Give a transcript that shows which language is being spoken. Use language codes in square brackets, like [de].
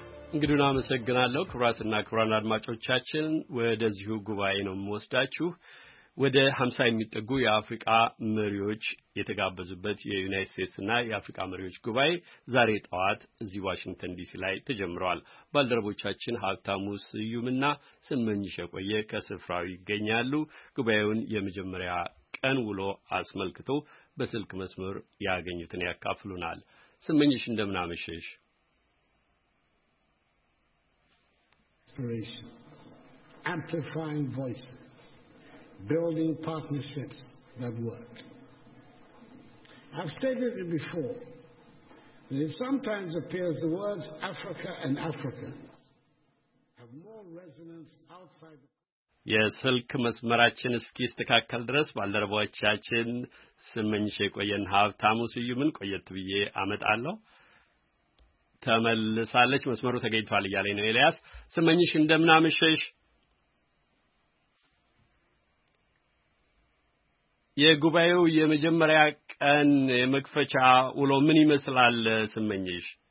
[am] እንግዲህ አመሰግናለሁ ክብራትና ክብራን አድማጮቻችን ወደዚሁ ጉባኤ ነው መወስዳችሁ ወደ 50 የሚጠጉ የአፍሪካ መሪዎች የተጋበዙበት የዩናይትድ ስቴትስና የአፍሪካ መሪዎች ጉባኤ ዛሬ ጠዋት እዚህ ዋሽንግተን ዲሲ ላይ ተጀምሯል። ባልደረቦቻችን ሀብታሙ ስዩምና ስመኝሽ ቆየ ከስፍራው ይገኛሉ። ጉባኤውን የመጀመሪያ ቀን ውሎ አስመልክቶ በስልክ መስመር ያገኙትን ያካፍሉናል። ስመኝሽ እንደምን አመሸሽ? [en] Amplifying voices, building partnerships that work. I've stated it before, that it sometimes appears the words Africa and African have more resonance outside the... [am] የስልክ መስመራችን እስኪ ይስተካከል ድረስ ባልደረባችን ስመኝሽ ቆየን ሀብታሙ ስዩምን ቆየት ብዬ አመጣለሁ ተመልሳለች መስመሩ ተገኝቷል ይያለኝ ነው ኤልያስ ስመኝሽ እንደምን አመሸሽ የጉባኤው የመጀመሪያ ቀን የመክፈቻ ውሎ ምን ይመስላል ስመኝሽ